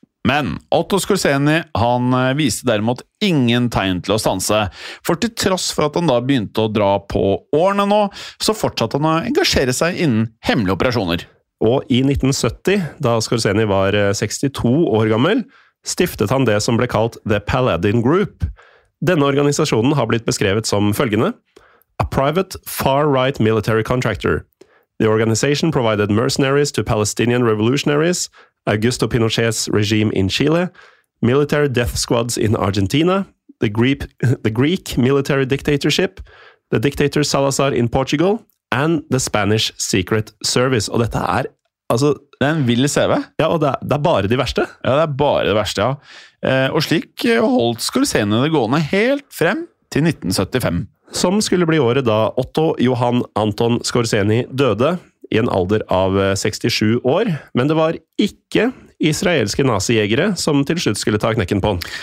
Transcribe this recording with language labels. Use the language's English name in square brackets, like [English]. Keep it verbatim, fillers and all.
[Norwegian] Men Otto Scorsese han viste derimot ingen tegn til å stanse, for til tross for at han da begynte å dra på årene nå, så fortsatte han å engasjere seg innen hemmelige operasjoner. Og i nitten sytti, da Scorsese var sekstito år gammel, stiftet han det som ble kalt The Paladin Group. Denne organisasjonen har blitt beskrevet som følgende: [English] A private far-right military contractor. The organization provided mercenaries to Palestinian revolutionaries, Augusto Pinochet's regime in Chile, military death squads in Argentina, the Greek, the Greek military dictatorship, the dictator Salazar in Portugal, and the Spanish Secret Service. [Norwegian] Og dette er, altså... Det er en vill C V. Ja, og det er, det er bare de verste. Ja, det er bare det verste, ja. Eh, og slik holdt Scorsese det gående helt frem til nitten syttifem. Som skulle bli året da Otto Johann Anton Scorsese døde, i en alder av sekstisju år. Men det var ikke israelske nazijegere som til slutt skulle ta knekken på han.